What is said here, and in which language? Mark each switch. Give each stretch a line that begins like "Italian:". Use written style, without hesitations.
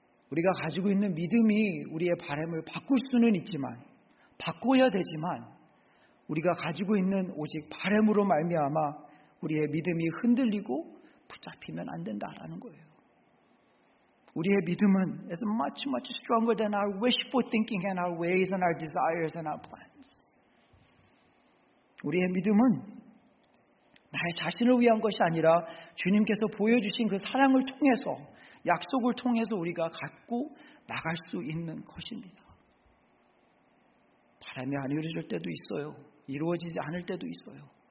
Korean: 우리가 가지고 있는 믿음이 우리의 바람을 바꿀 수는 있지만 바꿔야 되지만 우리가 가지고 있는 오직 바람으로 말미암아 우리의 믿음이 흔들리고 붙잡히면 안 된다라는 거예요. 우리의 믿음은
English: is much much stronger than our wishful thinking and our ways and our desires and our plans.
Korean: 우리의 믿음은 나의 자신을 위한 것이 아니라 주님께서 보여주신 그 사랑을 통해서 약속을 통해서 우리가 갖고 나갈 수 있는 것입니다. 바람이 안 이루어질 때도 있어요. 이루어지지 않을 때도 있어요.